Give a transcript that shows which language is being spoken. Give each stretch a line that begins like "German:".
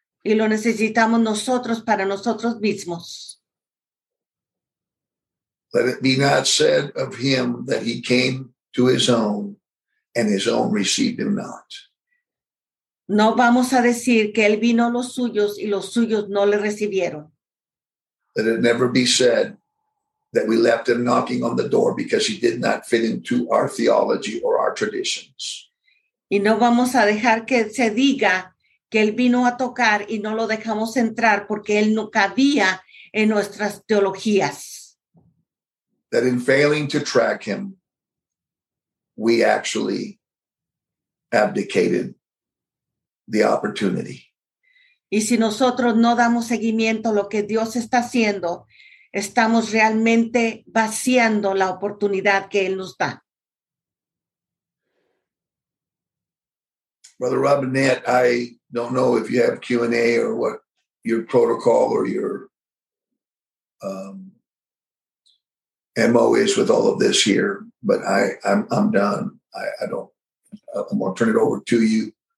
Spanish: Y lo necesitamos nosotros para nosotros mismos.
English: Let it be not said of him that he came to his own and his own received him not.
Spanish: No vamos a decir que él vino a los suyos y los suyos no le recibieron.
English: Let it never be said that we left him knocking on the door because he did not fit into our theology or our traditions.
Spanish: Y no vamos a dejar que se diga que él vino a tocar y no lo dejamos entrar porque él no cabía en nuestras teologías.
English: That in failing to track him, we actually abdicated the opportunity.
Spanish: Y si nosotros no damos seguimiento a lo que Dios está haciendo, estamos realmente vaciando la oportunidad que Él nos da.
English: Brother Robinette, I don't know if you have Q&A or what your protocol or your MO is with all of this here, but I'm done. I'm going to turn it over to you.